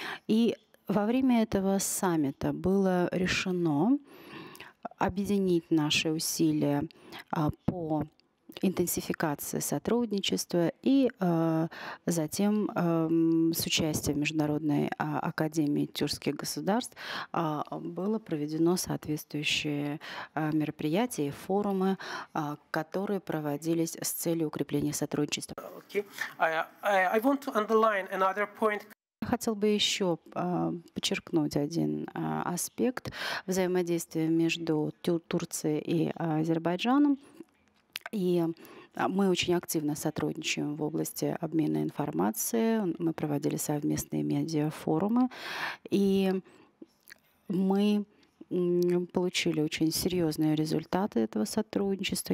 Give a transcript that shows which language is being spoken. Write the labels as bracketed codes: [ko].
[ru] И во время этого саммита было решено объединить наши усилия по интенсификации сотрудничества и Затем с участием Международной академии тюркских государств было проведено соответствующее мероприятие, форумы, которые проводились с целью укрепления сотрудничества. [en] I want to underline another point. [ru] Я хотел бы еще подчеркнуть один аспект взаимодействия между Турцией и Азербайджаном. И мы очень активно сотрудничаем в области обмена информацией. Мы проводили совместные медиафорумы. И мы получили очень серьезные результаты этого сотрудничества.